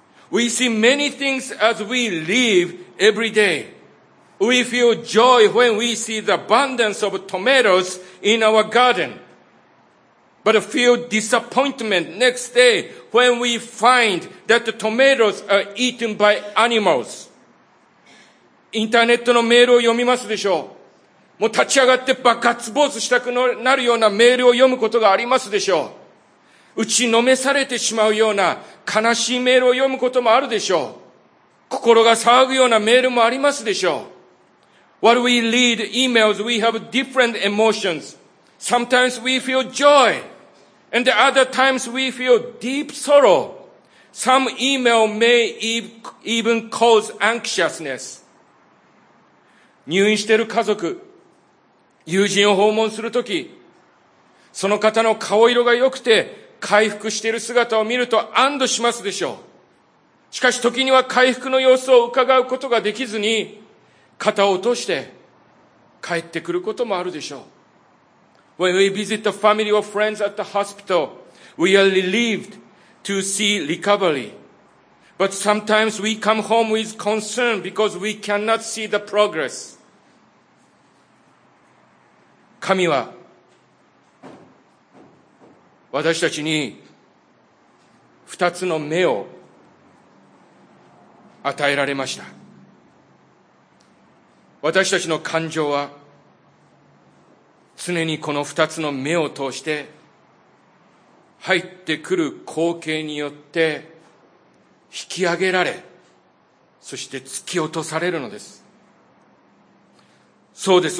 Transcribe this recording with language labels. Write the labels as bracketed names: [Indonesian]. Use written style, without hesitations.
[English] We see many things as we live every day. We feel joy when we see the abundance of tomatoes in our garden. But feel disappointment next day when we find that the tomatoes are eaten by animals. [Japanese] インターネットのメールを読みますでしょう。もう立ち上がってバカツボーズしたくなるようなメールを読むことがありますでしょう。打ちのめされてしまうような悲しいメールを読むこともあるでしょう。心が騒ぐようなメールもありますでしょう。 [English] While we read emails, we have different emotions. Sometimes we feel joy, and other times we feel deep sorrow. Some email may even cause anxiousness. [Japanese] 入院している家族、友人を訪問するとき、その方の顔色が良くて回復している姿を見ると安堵しますでしょう。しかし時には回復の様子を伺うことができずに、肩を落として帰ってくることもあるでしょう。 [English] When we visit the family or friends at the hospital, we are relieved to see recovery. But sometimes we come home with concern because we cannot see the progress. [Japanese] 神は私たちに二つの目を与えられました。私たちの感情は常にこの二つの目を通して入ってくる光景によって引き上げられ、そして突き落とされるのです。そうです。